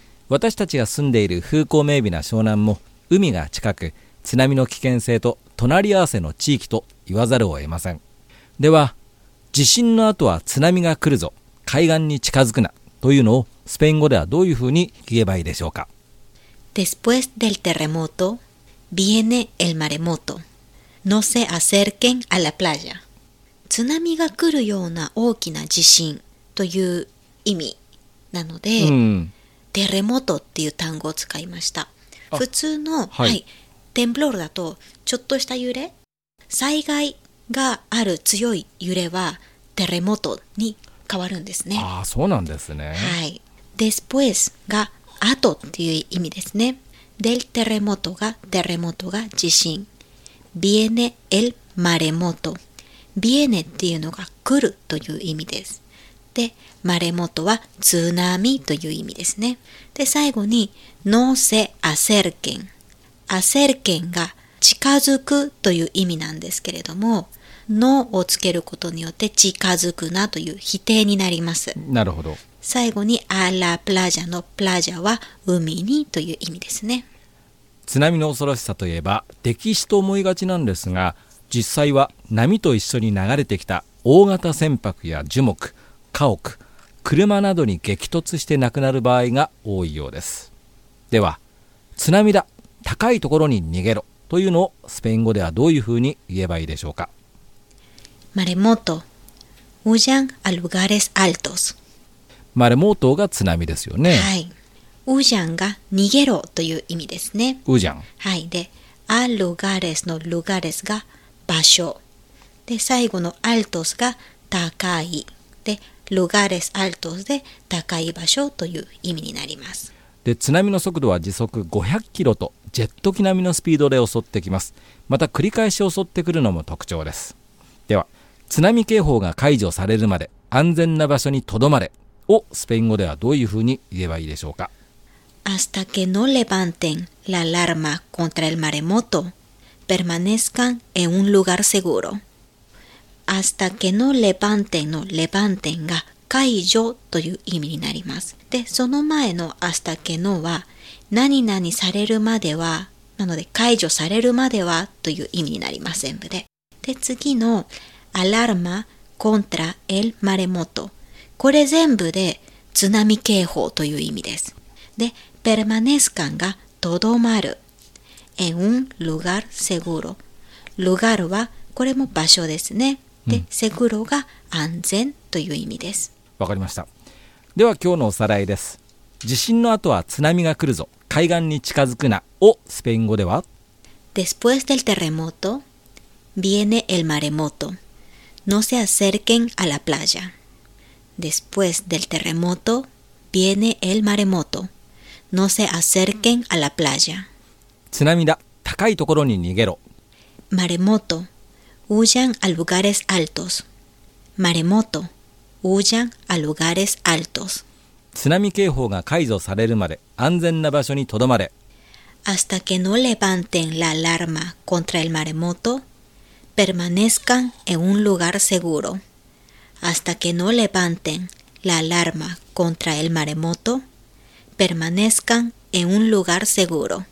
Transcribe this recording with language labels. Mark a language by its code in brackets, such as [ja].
[ja] 私たちが住んでいる風光明媚な湘南も海が近く、津波の危険性と隣り合わせの地域と言わざるを得ません。では地震の後は津波が来るぞ、海岸に近づくなというのをスペイン語ではどういうふうに言えばいいでしょうか。 [es] Después del terremoto viene el maremoto. No se acerquen a la playa. [ja] 津波が来るような大きな地震という意味なので、うん、terremoto っていう単語を使いました。普通の、はい、temblor だとちょっとした揺れ、災害がある強い揺れはテレモトに変わるんですね。ああ、そうなんですね。はい。 Después が後っていう意味ですね。 [es] Del terremoto [ja] が、テレモトが地震。 [es] Viene el maremoto。 [ja] Viene っていうのが来るという意味です。で、maremoto は津波という意味ですね。で、最後に、 [es] No se acerquen。 [ja] Acerquen が近づくという意味なんですけれども、のをつけることによって近づくなという否定になります。なるほど。最後にアラプラジャのプラジャは海にという意味ですね。津波の恐ろしさといえば溺死と思いがちなんですが、実際は波と一緒に流れてきた大型船舶や樹木、家屋、車などに激突して亡くなる場合が多いようです。では、津波だ、高いところに逃げろというのをスペイン語ではどういうふうに言えばいいでしょうか。 [es] Maremoto. Huyan a lugares altos. [ja] Maremoto が津波ですよね。はい。 Huyan が逃げろという意味ですね。 [es] Huyan。 [ja] はい。で、 [es] a lugares [ja] の lugares が場所。で、最後の altos が高い。で、 [es] lugares altos [ja] で高い場所という意味になります。で、津波の速度は時速500キロとジェット機並みのスピードで襲ってきます。また繰り返し襲ってくるのも特徴です。では、津波警報が解除されるまで安全な場所にとどまれをスペイン語ではどういうふうに言えばいいでしょうか。 [es] Hasta que no levanten la alarma contra el maremoto, permanezcan en un lugar seguro. Hasta que no levanten [ja] の levanten が解除という意味になります。で、その前の [es] hasta que no [ja] は何々されるまでは、なので解除されるまではという意味になります、全部で。で、次のアラーマコントラエルマレモト、これ全部で津波警報という意味です。で、ペルマネスカンがとどまる、エンウンルガルセグロ、ルガルはこれも場所ですね。で、うん、セグロが安全という意味です。わかりました。では今日のおさらいです。地震の後は津波が来るぞ、海岸に近づくなをスペイン語では、 [es] Después del terremotoViene el maremoto. No se acerquen a la playa. Después del terremoto, viene el maremoto. No se acerquen a la playa. [ja] 津波だ、高いところに逃げろ。 [es] Maremoto. Huyan a lugares altos. Maremoto. Huyan a lugares altos. [ja] 津波警報が解除されるまで安全な場所にとどまれ。 [es] Hasta que no levanten la alarma contra el maremoto,Permanezcan en un lugar seguro. Hasta que no levanten la alarma contra el maremoto, permanezcan en un lugar seguro.